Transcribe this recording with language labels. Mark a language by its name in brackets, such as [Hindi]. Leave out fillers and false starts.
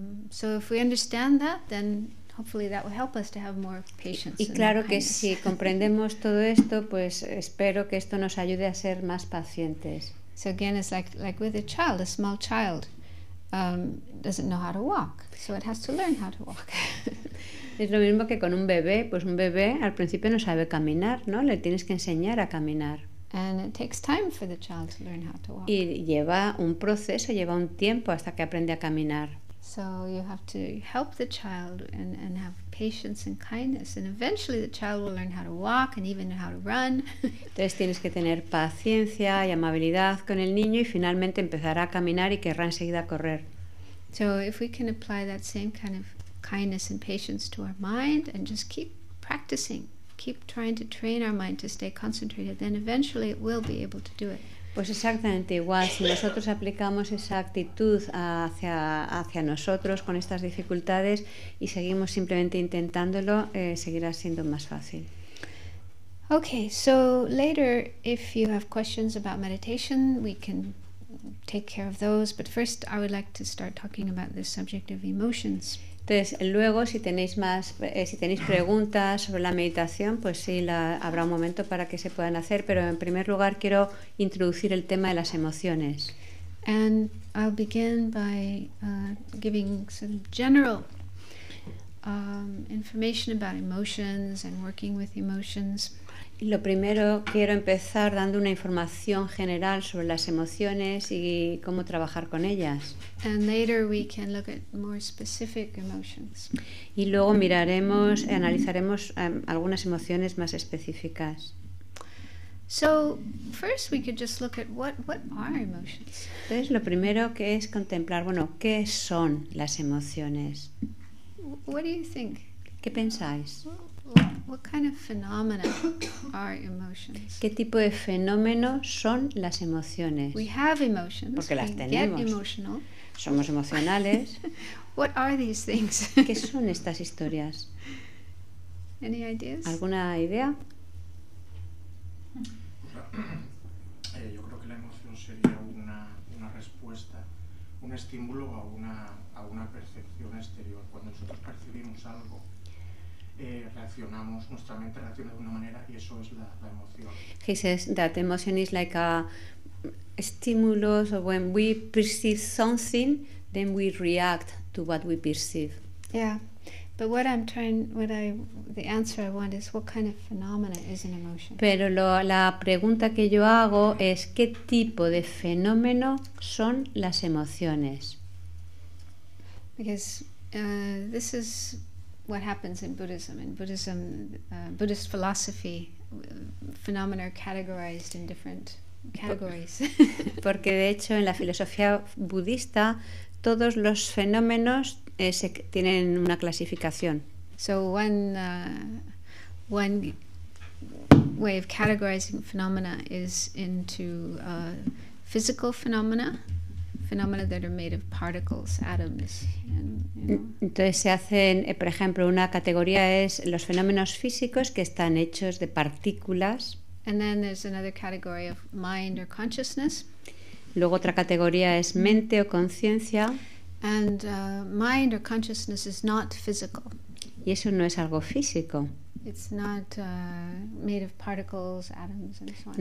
[English] So if we understand that, then hopefully that will help us to have more patience. [Spanish] Y claro que si comprendemos todo esto, pues espero que esto nos ayude a ser más pacientes. [English] So again, it's like with a child, a small child. Doesn't know how to walk, so it has to learn how to walk. [Spanish] Es lo mismo que con un bebé, pues un bebé al principio no sabe caminar, ¿no? Le tienes que enseñar a caminar. [English] And it takes time for the child to learn how to walk. [Spanish] Y lleva un proceso, lleva un tiempo hasta que aprende a caminar. [English] So you have to help the child and have patience and kindness, and eventually the child will learn how to walk and even how to run. [Spanish] Entonces tienes que tener paciencia y amabilidad con el niño y finalmente empezará a caminar y querrá enseguida correr. [English] So if we can apply that same kind of kindness and patience to our mind and just keep practicing, keep trying to train our mind to stay concentrated, then eventually it will be able to do it. [Spanish] Pues exactamente igual, si nosotros aplicamos esa actitud hacia nosotros con estas dificultades y seguimos simplemente intentándolo, seguirá siendo más fácil. [English] Okay, so later, if you have questions about meditation, we can take care of those. But first, I would like to start talking about the subject of emotions. [Spanish] Entonces, luego, si tenéis preguntas sobre la meditación, pues sí, habrá un momento para que se puedan hacer. Pero en primer lugar, quiero introducir el tema de las emociones. [English] And I'll begin by giving some general information about emotions and working with emotions. [Spanish] Lo primero, quiero empezar dando una información general sobre las emociones y cómo trabajar con ellas. [English] And later we can look at more specific emotions. [Spanish] Y luego miraremos y analizaremos algunas emociones más específicas. [English] So, first we could just look at what are emotions. [Spanish] Entonces, lo primero que es contemplar, bueno, ¿qué son las emociones? [English] What do you think? [Spanish] ¿Qué pensáis? [English] What kind of phenomena are emotions? [Spanish] ¿Qué tipo de fenómeno son las emociones? [English] We have emotions. [Spanish] Porque las [English] we [Spanish] tenemos. [English] Get emotional. [Spanish] Somos emocionales. [English] What are these things? [Spanish] ¿Qué son estas historias? [English] Any ideas? [Spanish] ¿Alguna idea? Yo creo que la emoción sería una respuesta, un estímulo a una percepción exterior. Cuando nosotros percibimos algo, reaccionamos, nuestra mente reacciona de una manera y eso es la emoción. [English] He says that emotion is like a stimulus, or when we perceive something, then we react to what we perceive. Yeah, but the answer I want is what kind of phenomena is an emotion? [Spanish] Pero la pregunta que yo hago es qué tipo de fenómeno son las emociones. [English] Because this is what happens in Buddhism. In Buddhism, Buddhist philosophy, phenomena are categorized in different categories. [Spanish] Porque de hecho en la filosofía budista todos los fenómenos tienen una clasificación. [English] So one way of categorizing phenomena is into physical phenomena. Phenomena that are made of particles, atoms. [Spanish] Entonces se hacen, por ejemplo, una categoría es los fenómenos físicos que están hechos de partículas. [English] And then there's another category of mind or consciousness. [Spanish] Luego otra categoría es mente o conciencia. [English] And mind or consciousness is not physical. [Spanish] Y eso no es algo físico. [English] It's not made of particles, atoms, and so on.